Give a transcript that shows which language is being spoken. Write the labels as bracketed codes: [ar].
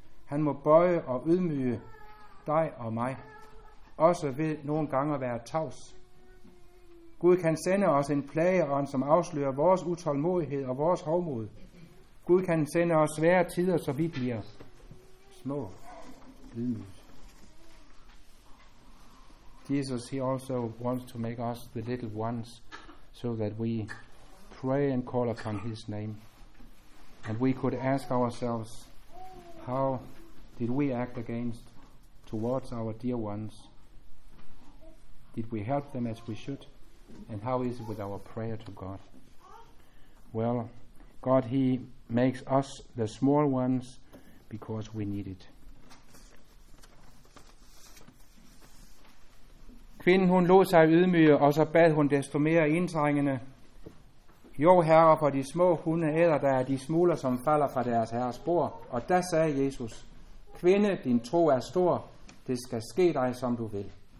[da] Han må bøje og ydmyge dig og mig. Også ved nogle gange at være tavs. Gud kan sende os en plageånd, som afslører vores utålmodighed og vores hovmod. Gud kan sende os svære tider, så vi bliver små, ydmyge. [en] Jesus, he also wants to make us the little ones, so that we pray and call upon his name. And we could ask ourselves, how did we act against towards our dear ones? Did we help them as we should? And how is it with our prayer to God? Well, God, he makes us the small ones because we need it. [da] Kvinden, hun lod sig ydmyge, og så bad hun desto mere indtrængende. Jo, herre, for de små hunde æder, der er de smuler, som falder fra deres herres bord. Og da sagde Jesus, kvinde, din tro er stor, det skal ske dig, som du vil.